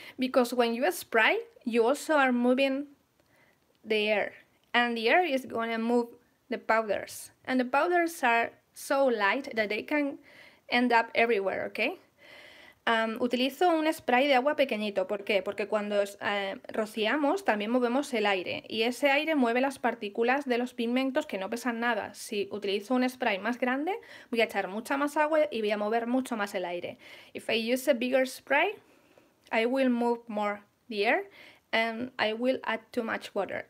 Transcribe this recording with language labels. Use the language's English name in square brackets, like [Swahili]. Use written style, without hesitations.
[English] Because when you spray, you also are moving the air, and the air is going to move the powders, and the powders are so light that they can end up everywhere, okay? [Spanish] Utilizo un spray de agua pequeñito, ¿por qué? Porque cuando rociamos también movemos el aire, y ese aire mueve las partículas de los pigmentos que no pesan nada. Si utilizo un spray más grande, voy a echar mucha más agua y voy a mover mucho más el aire. [English] If I use a bigger spray, I will move more the air and I will add too much water.